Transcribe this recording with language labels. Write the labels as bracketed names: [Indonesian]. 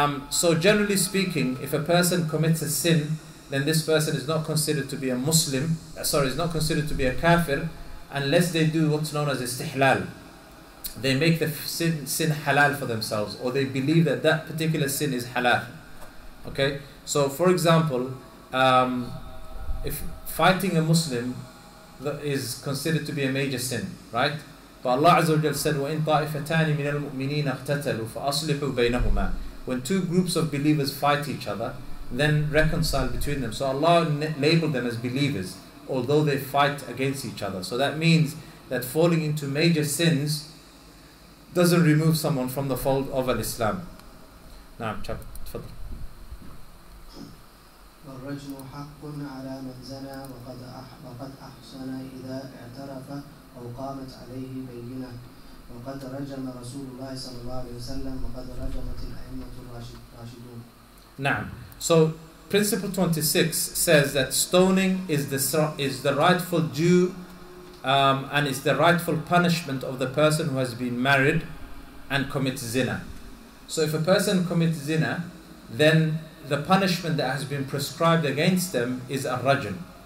[English] So generally speaking, if a person commits a sin, then this person is not considered to be a Muslim, is not considered to be a kafir, unless they do what's known as istihlal. They make the sin halal for themselves, or they believe that particular sin is halal. Okay? So for example, if fighting a Muslim is considered to be a major sin, right? But Allah Azza wa Jal said, [Arabic] وَإِنْ طَائِفَتَانِ مِنَ الْمُؤْمِنِينَ اَقْتَتَلُوا فَأَصْلِحُوا بَيْنَهُمَا. [English] When two groups of believers fight each other, then reconcile between them. So Allah labeled them as believers, although they fight against each other. So that means that falling into major sins doesn't remove someone from the fold of Al-Islam. Now, tafadhal. [Arabic] والرجل حق على من زنى وقد أحسن إذا اعترف أو قامت عليه بينة وقد رجم رسول الله صلى الله عليه وسلم وقد رجمت الأئمة الراشدون. نعم. [English] So, principle 26 says that stoning is the rightful due and it's the rightful punishment of the person who has been married and commits zina. So if a person commits zina, then the punishment that has been prescribed against them is a rajm.